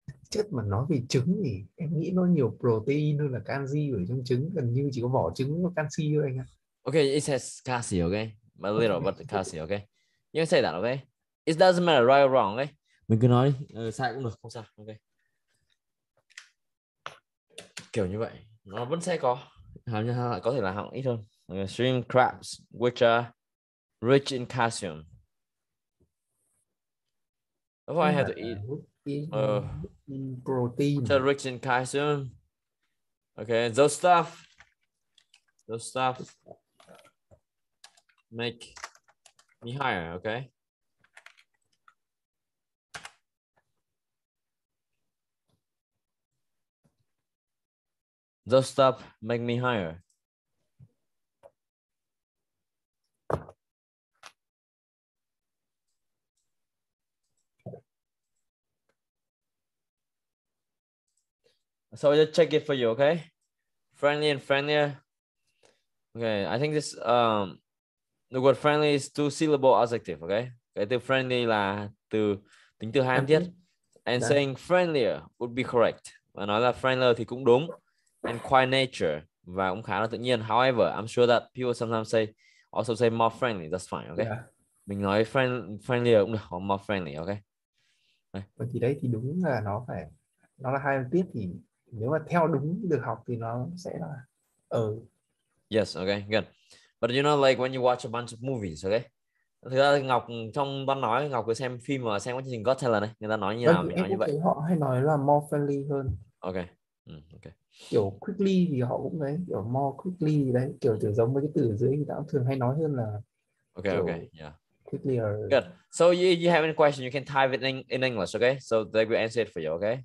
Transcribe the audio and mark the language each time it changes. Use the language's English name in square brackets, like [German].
[Vietnamese] Chất mà nói về trứng thì em nghĩ nó nhiều protein hơn là canxi ở trong trứng, gần như chỉ có vỏ trứng và canxi thôi anh ạ. [English] Okay, it says calcium, okay? A little okay. But calcium, okay? You can say that, okay? It doesn't matter right or wrong, okay? [Vietnamese] Mình cứ nói đi, sai cũng được, không sao, okay? Kiểu như vậy, nó vẫn sẽ có, hầu như có thể là hạng ít hơn. [English] Okay, shrimp crabs, which are rich in calcium. That's why I have to eat. In protein. It's rich in calcium. Okay, those stuff make me higher, okay? Those stuff make me higher. So I'll just check it for you, okay? Friendly and friendlier. Okay, I think this the word friendly is two syllable adjective, okay? Okay, the friendly [Vietnamese] là từ tính từ hai âm tiết. [English] And yeah. Saying friendlier would be correct. [Vietnamese] Và nói là friendlier thì cũng đúng. [English] And quite nature [Vietnamese] và cũng khá là tự nhiên. [English] However, I'm sure that people sometimes say also say more friendly. That's fine, okay? Yeah. [Vietnamese] Mình nói friendlier cũng được, [English] or more friendly, okay? [Vietnamese] Vậy thì đấy thì đúng là nó là hai âm tiết thì nếu mà theo đúng được học thì nó sẽ là [English] Yes, okay, good. But you know, like when you watch a bunch of movies, okay? [Vietnamese] Thực ra Ngọc trong văn nói Ngọc cứ xem phim và xem cái chương trình Got Talent này, người ta nói như nào, mình nói như vậy. Họ hay nói là more friendly hơn. [English] Okay. Okay. [Vietnamese] Kiểu quickly thì họ cũng đấy, kiểu more quickly đấy, kiểu từ giống với cái từ dưới người ta cũng thường hay nói hơn là. [English] Okay. Okay. Yeah. Quickly or. Good. So you have any question, you can type it in English, okay? So they will answer it for you, okay?